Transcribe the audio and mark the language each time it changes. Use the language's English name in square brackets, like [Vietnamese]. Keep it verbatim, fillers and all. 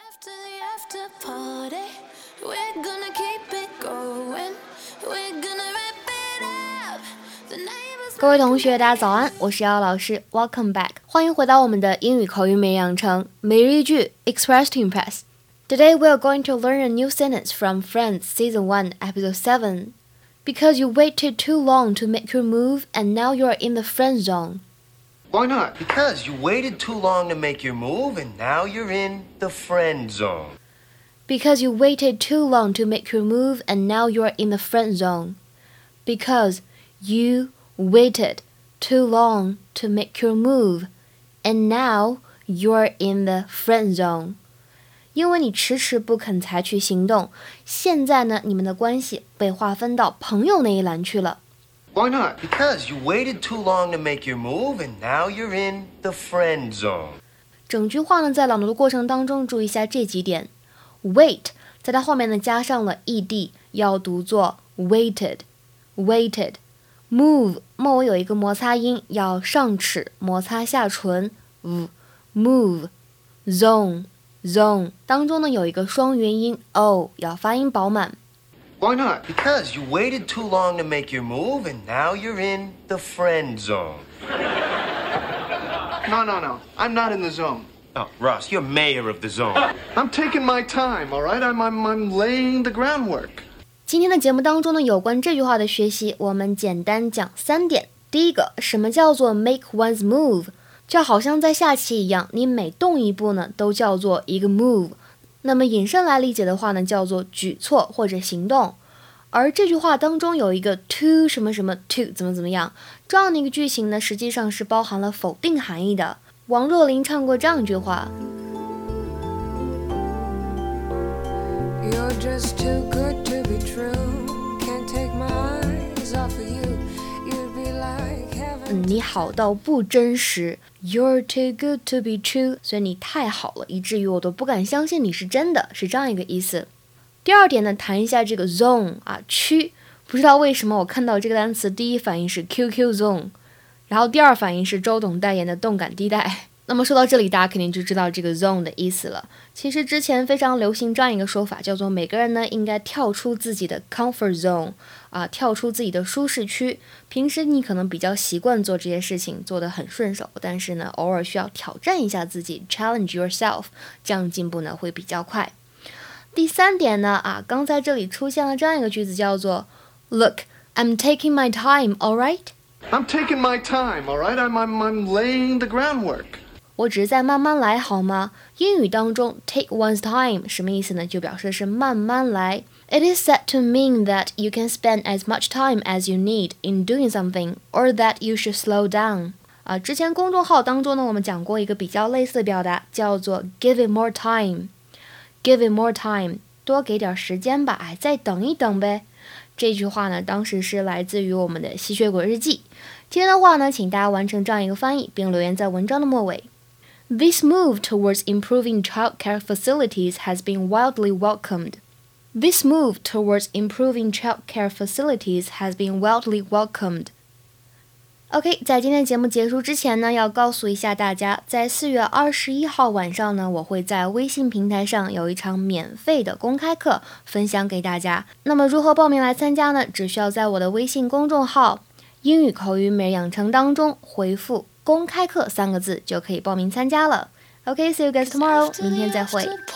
[English] To the after party, we're gonna keep it going, we're gonna wrap it up. The neighbors. [Chinese] 各位同学，大家早安，我是姚老师 ， [English] Welcome back， [Chinese] 欢迎回到我们的英语口语每日养成每日一句 Express to Impress。 [English] Today we are going to learn a new sentence from Friends Season One, Episode Seven. Because you waited too long to make your move, and now you are in the friend zone. Why not? Because you waited too long to make your move, and now you're in the friend zone. Because you waited too long to make your move, and now you are in the friend zone. Because you waited too long to make your move, and now you are in the friend zone. [Chinese] 因为你迟迟不肯采取行动，现在呢，你们的关系被划分到朋友那一栏去了。 [English] Why not? Because you waited too long to make your move, and now you're in the friend zone. [Chinese] 整句话呢，在朗读的过程当中，注意一下这几点。Wait 在它后面呢加上了 ed， 要读作 waited, waited. Move 末尾有一个摩擦音，要上齿摩擦下唇。 Move, zone, zone 当中呢有一个双元音 o， 要发音饱满。 [English] Why not? Because you waited too long to make your move, and now you're in the friend zone. No, no, no. I'm not in the zone. Oh, Ross, you're mayor of the zone. I'm taking my time, all right? I'm, I'm, I'm laying the groundwork. [Chinese] 今天的节目当中呢，有关这句话的学习，我们简单讲三点。第一个，什么叫做 make one's move？ 就好像在下棋一样，你每动一步呢，都叫做一个 move。那么引申来理解的话呢，叫做举措或者行动。而这句话当中有一个 to 什么什么 to 怎么怎么样，这样的一个句型呢，实际上是包含了否定含义的。王若琳唱过这样一句话 [English] You're just too good to be true, can't take my eyes off of you, you'd be like heaven. [Chinese] 你好到不真实 [English] You're too good to be true， [Chinese] 所以你太好了，以至于我都不敢相信你是真的，是这样一个意思。第二点呢，谈一下这个 zone 啊区，不知道为什么我看到这个单词，第一反应是 Q Q zone， 然后第二反应是周董代言的动感地带。那么说到这里，大家肯定就知道这个 zone 的意思了。其实之前非常流行这样一个说法，叫做每个人呢应该跳出自己的 comfort zone， 啊，跳出自己的舒适区。平时你可能比较习惯做这些事情，做得很顺手，但是呢偶尔需要挑战一下自己 ， [English] challenge yourself， [Chinese] 这样进步呢会比较快。第三点呢，啊，刚才这里出现了这样一个句子，叫做 [English] Look, I'm taking my time, all right? I'm taking my time, all right? I'm, I'm, I'm laying the groundwork. [Chinese] 我只是在慢慢来，好吗？英语当中 take one's time 什么意思呢？就表示是慢慢来。 [English] It is said to mean that you can spend as much time as you need in doing something, or that you should slow down. [Chinese] 啊，之前公众号当中呢，我们讲过一个比较类似的表达，叫做 give it more time。 [English] Give it more time， [Chinese] 多给点时间吧，哎，再等一等呗。这句话呢，当时是来自于我们的《吸血鬼日记》。今天的话呢，请大家完成这样一个翻译，并留言在文章的末尾。 [English] This move towards improving childcare facilities has been wildly welcomed. This move towards improving childcare facilities has been wildly welcomed. [Chinese] OK， 在今天节目结束之前呢，要告诉一下大家，在四月二十一号晚上呢，我会在微信平台上有一场免费的公开课分享给大家。那么如何报名来参加呢？只需要在我的微信公众号英语口语每日养成当中回复公开课三个字就可以报名参加了。 [English] OK， see you guys tomorrow， [Chinese] 明天再会。